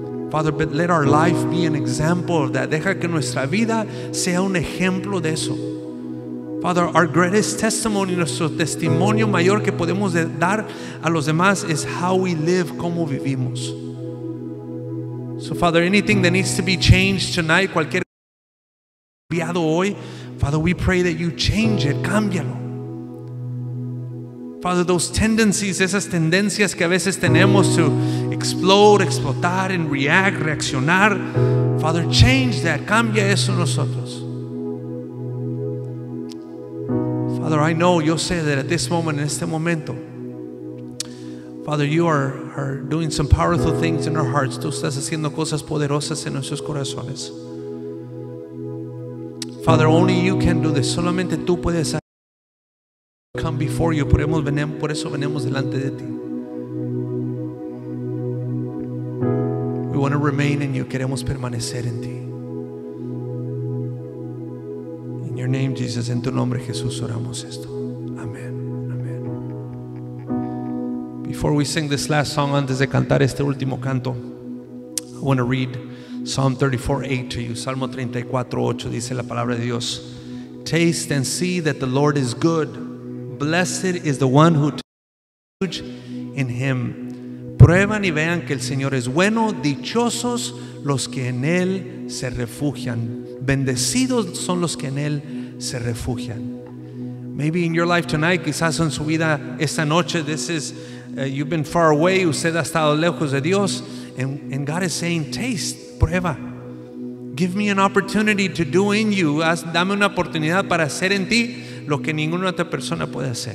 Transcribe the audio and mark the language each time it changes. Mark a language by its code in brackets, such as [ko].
[en] Father, but let our life be an example of that. [es] Deja que nuestra vida sea un ejemplo de eso. [en] Father, our greatest testimony, [es] nuestro testimonio mayor que podemos dar a los demás [en] is how we live, [es] cómo vivimos. [en] So, Father, anything that needs to be changed tonight, [es] cualquier cambiado hoy, [en] Father, we pray that you change it, cámbialo. Father, those tendencies, [es] esas tendencias que a veces tenemos [en] to explode, [es] explotar, [en] and react, [es] reaccionar. [en] Father, change that. [es] Cambia eso nosotros. [en] Father, I know, [es] yo sé [en] that at this moment, [es] en este momento, [en] Father, you are doing some powerful things in our hearts. [es] Tú estás haciendo cosas poderosas en nuestros corazones. [en] Father, only you can do this. [es] Solamente tú puedes hacer. [en] Come before you, [es] por eso venimos delante de ti. [en] We want to remain in you, [es] queremos permanecer en ti. [en] In your name, Jesus, [es] en tu nombre, Jesús, oramos esto. Amén. [en] Amén. Before we sing this last song, [es] antes de cantar este último canto, [en] I want to read Psalm 34:8 to you. [es] Salmo 34:8 dice la palabra de Dios: [en] Taste and see that the Lord is good. Blessed is the one who takes refuge in him. [es] Prueban y vean que el Señor es bueno. Dichosos los que en él se refugian. Bendecidos son los que en él se refugian. [en] Maybe in your life tonight, [es] quizás en su vida esta noche, [en] this is you've been far away. [es] Usted ha estado lejos de Dios. [en] And God is saying, taste, [es] prueba. [en] Give me an opportunity to do in you. [es] Dame una oportunidad para hacer en ti lo que ninguna otra persona puede hacer.